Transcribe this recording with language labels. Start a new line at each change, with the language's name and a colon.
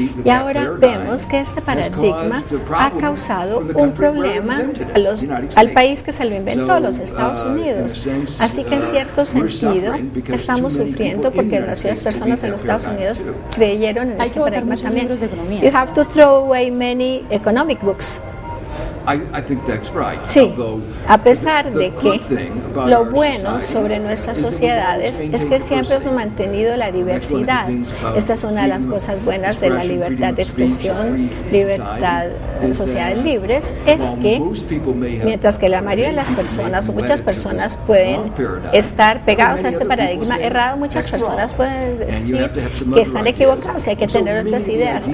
Spanish: Y ahora vemos que este paradigma ha causado un problema al país que se lo inventó, los Estados Unidos. Así que en cierto sentido estamos sufriendo porque demasiadas personas en los Estados Unidos creyeron en este paradigma también.
English: You have to throw away many economic books. I think that's right.
Spanish: Sí, a pesar de que lo bueno sobre nuestras sociedades es que siempre hemos mantenido la diversidad. Esta es una de las cosas buenas de la libertad de expresión, libertad en sociedades libres, es que mientras que la mayoría de las personas o muchas personas pueden estar pegados a este paradigma errado, muchas personas pueden decir que están equivocados y hay que tener otras ideas.